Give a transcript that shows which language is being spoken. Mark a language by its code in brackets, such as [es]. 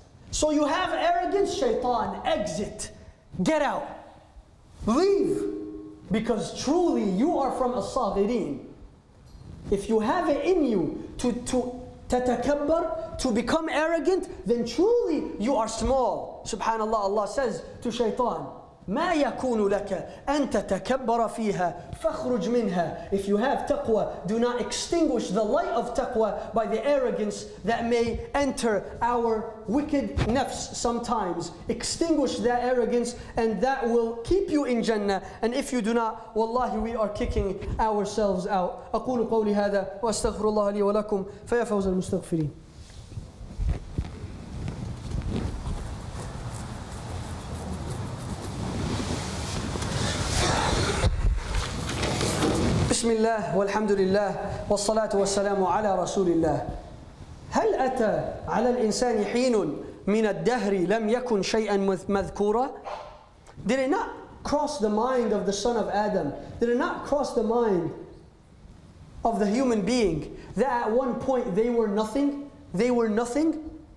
[en] So you have arrogance, shaitan, exit. Get out. Leave. Because truly you are from as-saghireen. If you have it in you to tatakabbar, to become arrogant, then truly you are small. Subhanallah, Allah says to shaitan, [ar] مَا يَكُونُ لَكَ أَن تَتَكَبَّرَ فِيهَا فَخْرُجْ مِنْهَا. [en] If you have taqwa, do not extinguish the light of taqwa by the arrogance that may enter our wicked nafs sometimes. Extinguish that arrogance and that will keep you in Jannah. And if you do not, wallahi, we are kicking ourselves out. [ar] أَقُولُ قَوْلِ هَذَا وَأَسْتَغْفِرُ اللَّهَ لِي وَلَكُمْ فَيَا فَوْزَ الْمُسْتَغْفِرِينَ. بسم الله والحمد لله والصلاة والسلام على رسول الله. هل أتى على الإنسان حين من الدهر لم يكن شيئا مذكورا؟ [en] Did it not cross the mind of the son of Adam? Did it not cross the mind of the human being that at one point they were nothing? They were nothing?